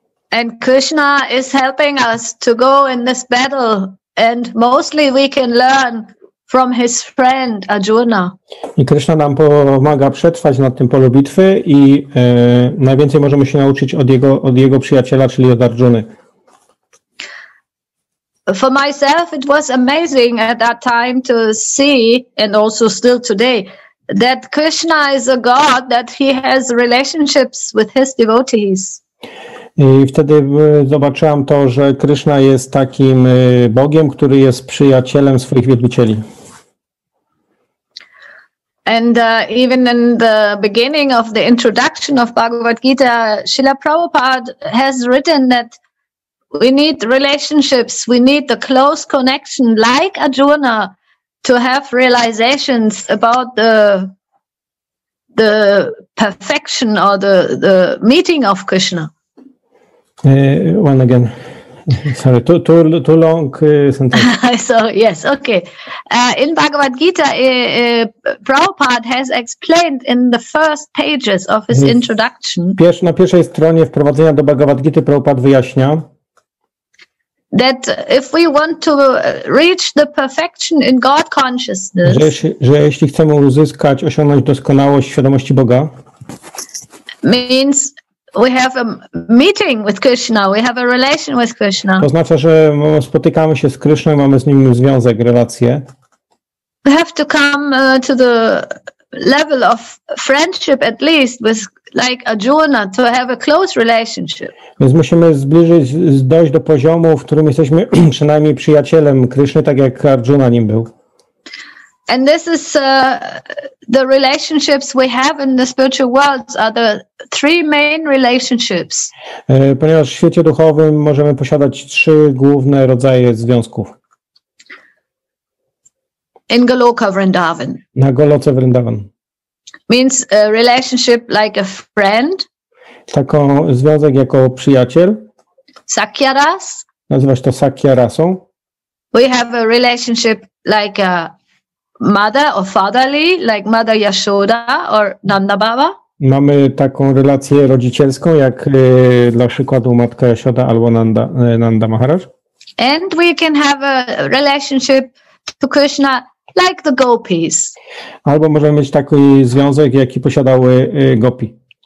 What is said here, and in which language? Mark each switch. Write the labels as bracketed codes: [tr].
[en] And Krishna is helping us to go in this battle and mostly we can learn from his friend Arjuna. [pl] I Krishna nam pomaga przetrwać na tym polu bitwy i najwięcej możemy się nauczyć od jego przyjaciela, czyli od Arjuny. [en] For myself it was amazing at that time to see, and also still today, that Krishna is a god, that he has relationships with his devotees. [pl] I wtedy zobaczyłam to, że Krishna jest takim Bogiem, który jest przyjacielem swoich wielbicieli. [en] And even in the beginning of the introduction of Bhagavad Gita, Srila Prabhupada has written that we need relationships, we need the close connection, like Arjuna, to have realizations about the perfection or the meeting of Krishna. One again. Sorry, too long sentence. So, yes, okay. In Bhagavad Gita, Prabhupada has explained in the first pages of his introduction. [pl] Na pierwszej stronie wprowadzenia do Bhagavad Gita Prabhupada wyjaśnia, [en] that if we want to reach the perfection in God consciousness, [pl] że jeśli chcemy uzyskać, osiągnąć doskonałość świadomości Boga, [en] means we have a meeting with Krishna, we have a relation with Krishna. [pl] To oznacza, że spotykamy się z Krishną, mamy z nim związek, relacje. [en] We have to come to the level of friendship at least with, like Arjuna, to have a close relationship. [pl] Więc musimy zbliżyć, dojść do poziomu, w którym jesteśmy przynajmniej przyjacielem Kryszny, tak jak Arjuna nim był. [en] And this is the relationships we have in the spiritual world are the three main relationships. [pl] Ponieważ w świecie duchowym możemy posiadać trzy główne rodzaje związków. [en] In Goloka Vrindavan. [pl] Na Goloce Vrindavan. [en] Means a relationship like a friend. [pl] Taką związek jako przyjaciel. [en] Sakyaras. [pl] Nazywasz to Sakyarasą. [en] We have a relationship like a mother or fatherly, like Mother Yashoda or Nanda Baba. [pl] Mamy taką relację rodzicielską, jak dla przykładu Matka Yashoda albo Nanda Maharaj. [en] And we can have a relationship to Krishna, like the gopis. [pl] Albo możemy mieć taki związek, jaki posiadały gopi.